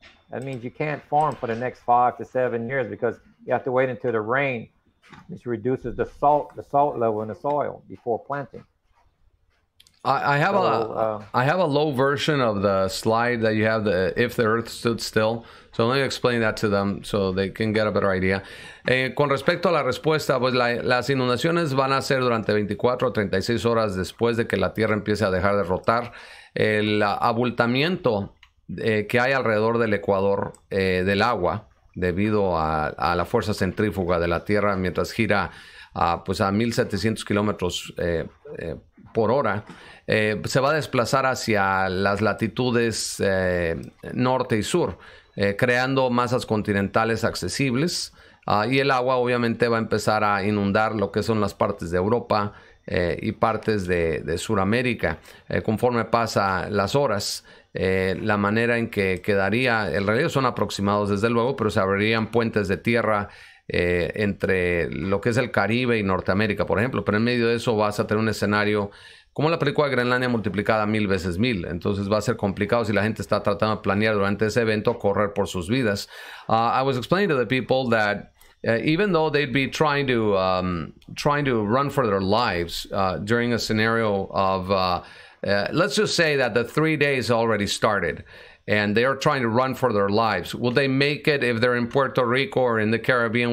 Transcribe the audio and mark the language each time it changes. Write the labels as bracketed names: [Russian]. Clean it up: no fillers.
[English] That means you can't farm for the next 5 to 7 years, because you have to wait until the rain, which reduces the salt level in the soil before planting. I have a low version of the slide that you have, the if the earth stood still. So let me explain that to them so they can get a better idea. [Spanish] Con respecto a la respuesta, pues las inundaciones van a ser durante 24 o 36 horas después de que la tierra empiece a dejar de rotar. El abultamiento que hay alrededor del ecuador del agua debido a la fuerza centrífuga de la Tierra mientras gira a 1700 kilómetros por hora, se va a desplazar hacia las latitudes norte y sur, creando masas continentales accesibles Y el agua obviamente va a empezar a inundar lo que son las partes de Europa y partes de Sudamérica. Conforme pasa las horas, la manera en que quedaría, en realidad son aproximados desde luego, pero se abrirían puentes de tierra entre lo que es el Caribe y Norteamérica, por ejemplo. Pero en medio de eso vas a tener un escenario como la película de Groenlandia multiplicada mil veces mil. Entonces va a ser complicado si la gente está tratando de planear durante ese evento correr por sus vidas. [English] I was explaining to the people that even though they'd be trying to run for their lives during a scenario of, let's just say that the 3 days already started and they are trying to run for their lives, will they make it if they're in Puerto Rico or in the Caribbean?